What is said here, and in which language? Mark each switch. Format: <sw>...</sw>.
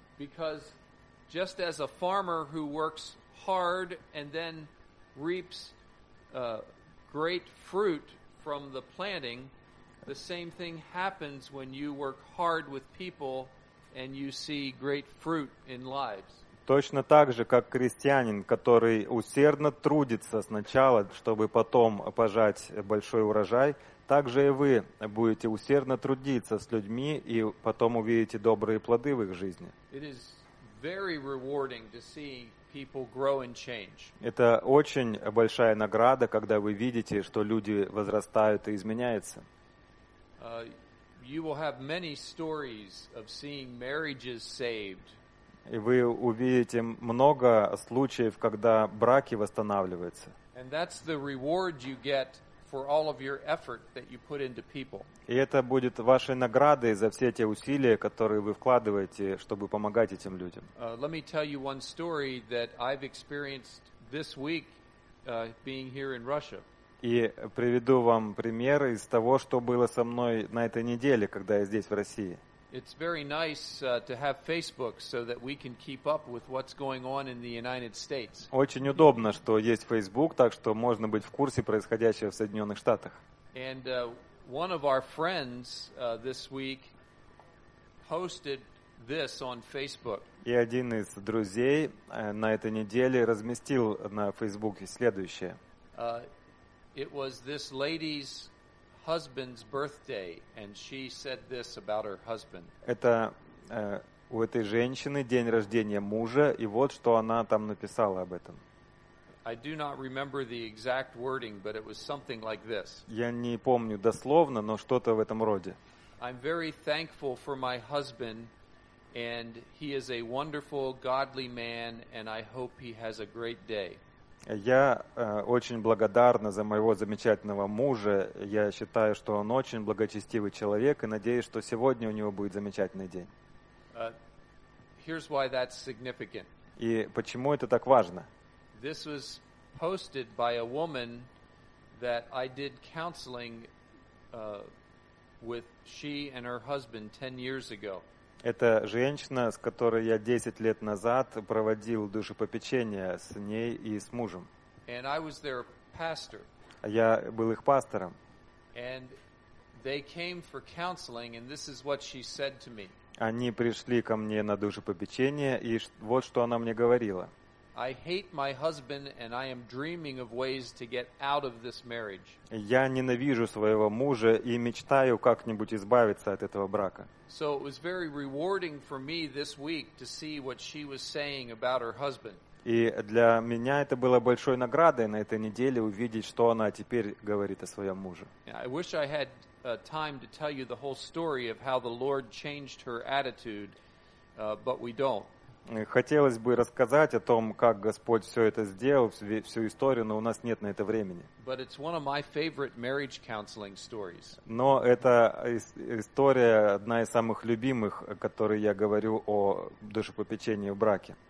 <en>Because just as a farmer who works hard and then reaps great fruit from the planting, the same thing happens when you work hard with people and you see great fruit in lives.</en> <ru>Точно так же, как крестьянин, который усердно трудится сначала, чтобы потом пожать большой урожай, так же и вы будете усердно трудиться с людьми и потом увидите добрые плоды в их жизни.</ru> <en>It is very rewarding to see people grow and change.</en> <ru>Это очень большая награда, когда вы видите, что люди возрастают и изменяются.</ru> <en>You will have many stories of seeing marriages saved.</en> <ru>И вы увидите много случаев, когда браки восстанавливаются.</ru> <en>And that's the reward you get for all of your effort that you put into people.</en> <ru>И это будет вашей наградой за все те усилия, которые вы вкладываете, чтобы помогать этим людям.</ru> <en>Let me tell you one story that I've experienced this week being here in Russia.</en> <ru>И приведу вам пример из того, что было со мной на этой неделе, когда я здесь, в России.</ru> <en>It's very nice to have Facebook so that we can keep up with what's going on in the United States.</en> <ru>Очень удобно, что есть Facebook, так что можно быть в курсе происходящего в Соединенных Штатах.</ru> <en>And one of our friends this week posted this on Facebook.</en> <ru>И один из друзей на этой неделе разместил на Фейсбуке следующее.</ru> <en>It was this lady's husband's birthday, and she said this about her husband.</en> <ru>Это у этой женщины день рождения мужа, и вот что она там написала об этом.</ru> <en>I do not remember the exact wording, but it was something like this.</en> <ru>Я не помню дословно, но что-то в этом роде.</ru> <en>I'm very thankful for my husband, and he is a wonderful, godly man, and I hope he has a great day.</en> <ru>Я очень благодарна за моего замечательного мужа. Я считаю, что он очень благочестивый человек и надеюсь, что сегодня у него будет замечательный день.</ru> <en>Here's why that's significant.</en> <ru>И почему это так важно?</ru> <en>This was posted by a woman that I did counseling with, she and her husband 10 years ago.</en> <ru>Это женщина, с которой я 10 лет назад проводил душепопечение с ней и с мужем.</ru> <en>And I was their pastor.</en> <ru>Я был их пастором.</ru> <en>And they came for counseling, and this is what she said to me.</en> <ru>Они пришли ко мне на душепопечение, и вот что она мне говорила.</ru> <en>I hate my husband, and I am dreaming of ways to get out of this marriage.</en> <ru>Я ненавижу своего мужа и мечтаю как-нибудь избавиться от этого брака.</ru> <en>So it was very rewarding for me this week to see what she was saying about her husband.</en> <ru>И для меня это было большой наградой на этой неделе увидеть, что она теперь говорит о своем муже.</ru> <en>I wish I had time to tell you the whole story of how the Lord changed her attitude, but we don't.</en> <ru>Хотелось бы рассказать о том, как Господь все это сделал, всю историю, но у нас нет на это времени.</ru> <en>But it's one of my favorite marriage counseling stories.</en> <ru>Но это история одна из самых любимых, о которой я говорю о душепопечении в браке.</ru>